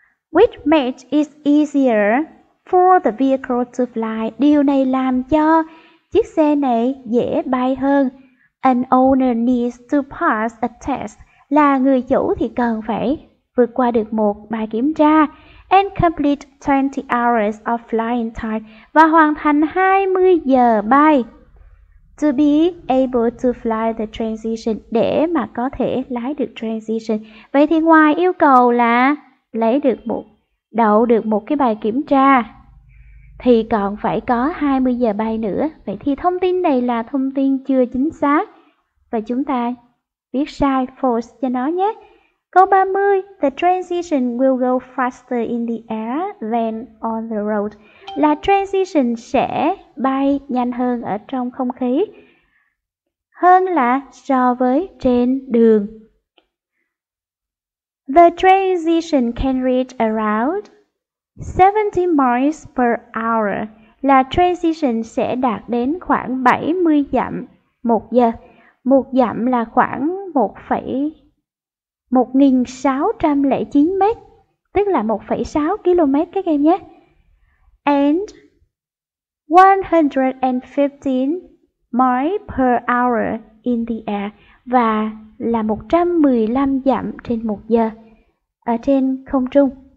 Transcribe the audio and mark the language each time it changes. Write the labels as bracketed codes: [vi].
[en] Which makes it easier for the vehicle to fly? [vi] Điều này làm cho chiếc xe này dễ bay hơn. [en] An owner needs to pass a test, [vi] là người chủ thì cần phải vượt qua được một bài kiểm tra. [en] And complete 20 hours of flying time, [vi] và hoàn thành 20 giờ bay. [en] To be able to fly the transition, [vi] để mà có thể lái được [en] transition. [vi] Vậy thì ngoài yêu cầu là đậu được một cái bài kiểm tra, Thì còn phải có 20 giờ bay nữa. Vậy thì thông tin này là thông tin chưa chính xác. Và chúng ta viết sai false cho nó nhé. Câu 30, [en] the transition will go faster in the air than on the road. [vi] Là transition sẽ bay nhanh hơn ở trong không khí hơn là so với trên đường. [en] The transition can reach around 70 miles per hour. [vi] Là transition sẽ đạt đến khoảng 70 dặm một giờ. Một dặm là khoảng 1,609 mét, tức là 1,6 km các em nhé. [en] And 115 miles per hour in the air, [vi] và là 115 dặm trên một giờ ở trên không trung.